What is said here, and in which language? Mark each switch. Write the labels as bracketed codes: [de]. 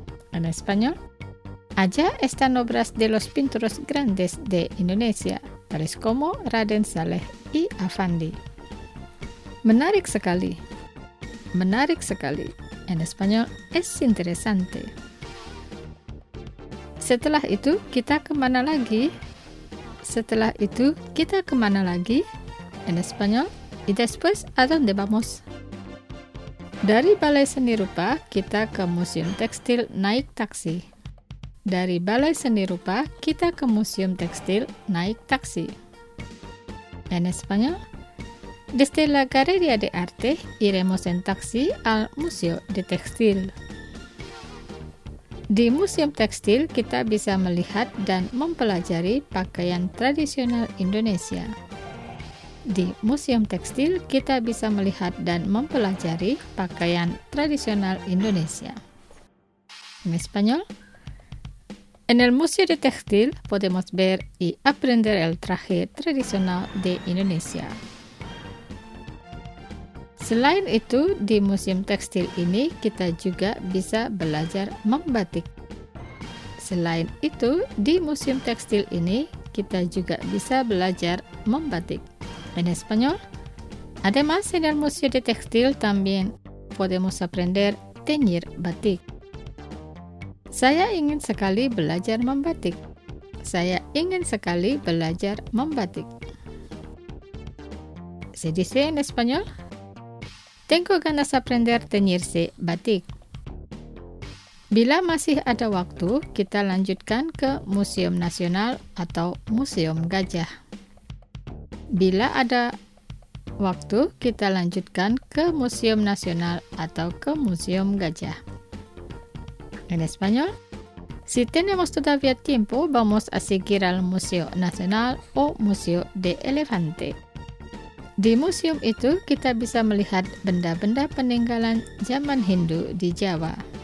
[es] En español, allá están obras de los pintores grandes de Indonesia, tales como Raden Saleh y Afandi. [id] Menarik sekali. Menarik sekali. [es] En español, es interesante. [id] Setelah itu, kita kemana lagi? Setelah itu, kita kemana lagi? [es] En español, y después, ¿a dónde vamos? [id] Dari Balai Seni Rupa, kita ke Museum Tekstil naik taksi. Dari Balai Seni Rupa, kita ke Museum Tekstil naik taksi. [es] En español, desde la Galería de Arte, iremos en taxi al Museo de Textil. [id] Di Museum Tekstil, kita bisa melihat dan mempelajari pakaian tradisional Indonesia. Di Museum Tekstil, kita bisa melihat dan mempelajari pakaian tradisional Indonesia. [es] En español, en el Museo de Textil podemos ver y aprender el traje tradicional de Indonesia. [id] Selain itu, di Museum Tekstil ini kita juga bisa belajar membatik. Selain itu, di Museum Tekstil ini kita juga bisa belajar membatik. [es] En español, además en el Museo de Textil también podemos aprender teñir batik. [id] Saya ingin sekali belajar membatik. Saya ingin sekali belajar membatik. [es] Se dice en español, tengo ganas aprender teñirse batik. [id] Bila masih ada waktu, kita lanjutkan ke Museum Nasional atau Museum Gajah. Bila ada waktu, kita lanjutkan ke Museum Nasional atau ke Museum Gajah. [es] En español, si tenemos todavía tiempo, vamos a seguir al Museo Nacional o Museo de Elefante. [id] Di museum itu, kita bisa melihat benda-benda peninggalan zaman Hindu di Jawa.